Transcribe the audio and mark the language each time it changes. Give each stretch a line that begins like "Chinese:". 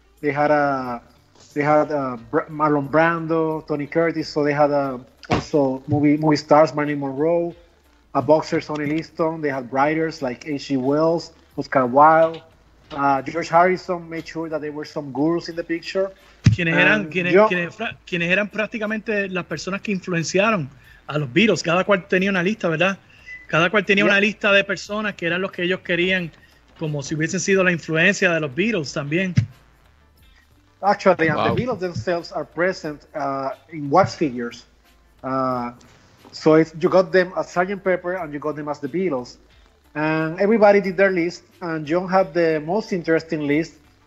English: They had Marlon Brando, Tony Curtis. So they had also movie stars, Marilyn Monroe, a boxer, Sonny Liston. They had writers like H.G. Wells, Oscar Wilde. George Harrison made sure that there were some gurus in the picture.
Spanish: Quienes eran prácticamente las personas que influenciaron a los Beatles. Cada cual tenía una lista, ¿verdad? Cada cual tenía una lista de personas que eran los que ellos querían, como si hubiesen sido la influencia de los Beatles también.
English: Actually, wow. The Beatles themselves are present in wax figures. So it's, you got them as Sgt. Pepper and you got them as the Beatles. And everybody did their list, and John had the most interesting list.